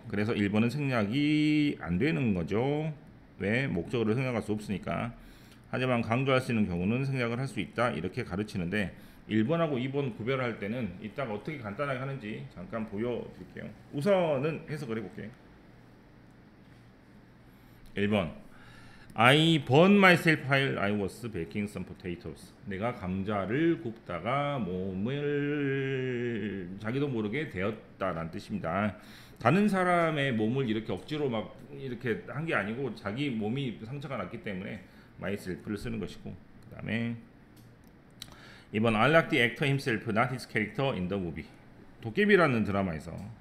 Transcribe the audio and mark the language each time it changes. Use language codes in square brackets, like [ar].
[ko] 그래서 1번은 생략이 안 되는 거죠. 왜? 목적어를 생략할 수 없으니까. 하지만 강조할 수 있는 경우는 생략을 할 수 있다, 이렇게 가르치는데, 1번하고 2번 구별할 때는 이따가 어떻게 간단하게 하는지 잠깐 보여드릴게요. 우선은 해석을 해볼게요. [en] 1번, I burn myself while I was baking some potatoes. [ko] 내가 감자를 굽다가 몸을 자기도 모르게 데였다라는 뜻입니다. 다른 사람의 몸을 이렇게 억지로 막 이렇게 한 게 아니고 자기 몸이 상처가 났기 때문에 myself를 쓰는 것이고, 그 다음에 이번 [en] I like the actor himself, not his character in the movie. [ko] 도깨비라는 드라마에서